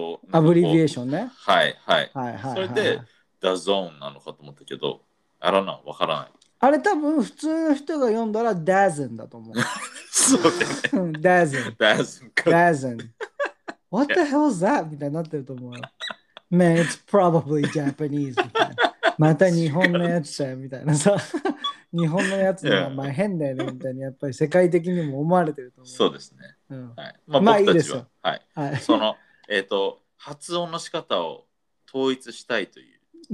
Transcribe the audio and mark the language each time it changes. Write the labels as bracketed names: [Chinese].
[Japanese] アブリビエーションね。はいはい。はいはいはい、それで、ダゾーンなのかと思ったけど、あらな、わからない。あれ多分普通の人が読んだらダズンだと思う。そうね。ダズン。ダズンか。ダズン。 [English] What the hell is that? [Japanese] みたいになってると思う。 [English] Man, it's probably Japanese. [Japanese] みたいな、また日本のやつじゃんみたいなさ。日本のやつの名前変だよねみたいな、やっぱり世界的にも思われてると思う。そうですね。うん、はい、まあ、まあいいですよ。はい。その、発音の仕方を統一したいという。